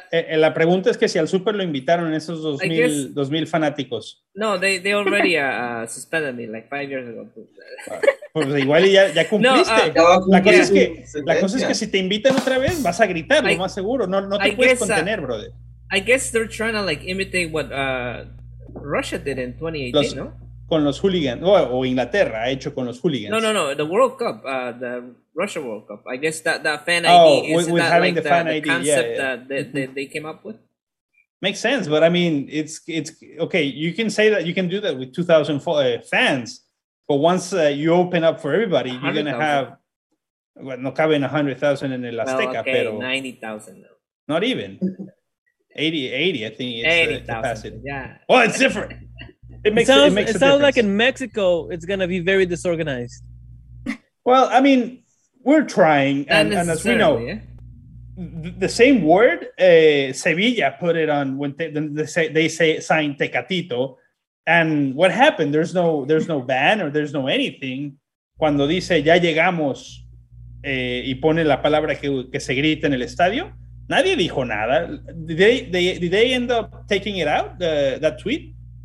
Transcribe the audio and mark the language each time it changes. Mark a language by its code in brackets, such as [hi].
[es] La pregunta es que si al Super lo invitaron esos 2,000 fanáticos. [en] No, they already suspended me like 5 years ago. [es] Pues igual ya cumpliste. No, la cosa es que si te invitan otra vez, vas a gritar, lo más seguro. No te puedes contener, brother. [en] I guess they're trying to like imitate what Russia did in 2018, [es] Con los hooligans, o Inglaterra ha hecho con los hooligans. [en] No, the World Cup, the Russia World Cup. I guess that fan ID, isn't that like the concept they came up with? Makes sense, but I mean, it's okay, you can say that, you can do that with 2,000 fans, but once you open up for everybody, you're going to have, well, [es] no caben 100,000 en el Azteca, [en] okay, [es] pero... [en] 90,000, though. Not even. 80, I think it's 80,000, yeah. Well, it's different. It sounds like in Mexico, it's going to be very disorganized. Well, I mean, we're trying. And as we know, the same word, Sevilla put it on when they say sign Tecatito. And what happened? There's no ban or there's no anything. [es] Cuando dice ya llegamos y pone la palabra que se grita en el estadio, nadie dijo nada. [en] Did they end up taking it out, that tweet?